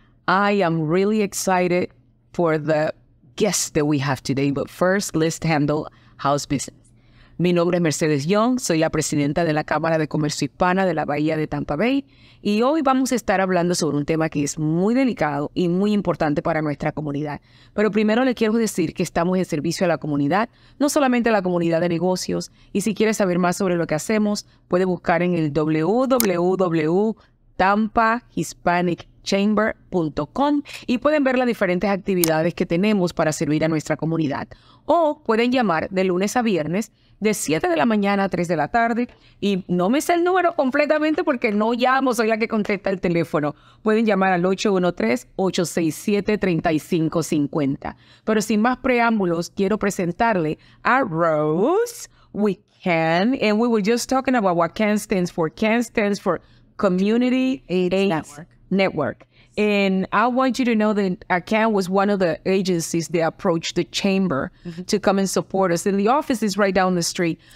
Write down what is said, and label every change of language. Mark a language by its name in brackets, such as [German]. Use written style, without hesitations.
[English] I am really excited for the guest that we have today, but first, let's handle house business. [Spanish] Mi nombre es Mercedes Young, soy la presidenta de la Cámara de Comercio Hispana de la Bahía de Tampa Bay, y hoy vamos a estar hablando sobre un tema que es muy delicado y muy importante para nuestra comunidad. Pero primero le quiero decir que estamos en servicio a la comunidad, no solamente a la comunidad de negocios, y si quieres saber más sobre lo que hacemos, puede buscar en el www.tampahispaniccamber.com y pueden ver las diferentes actividades que tenemos para servir a nuestra comunidad. O pueden llamar de lunes a viernes de 7 de la mañana a 3 de la tarde y no me sé el número completamente porque no llamo, soy la que contesta el teléfono. Pueden llamar al 813-867-3550. Pero sin más preámbulos, quiero presentarle a Rose. [English] We can, and we were just talking about what can stands for. Can stands for Community AIDS Network. And I want you to know that ACAN was one of the agencies that approached the chamber to come and support us. And the office is right down the street.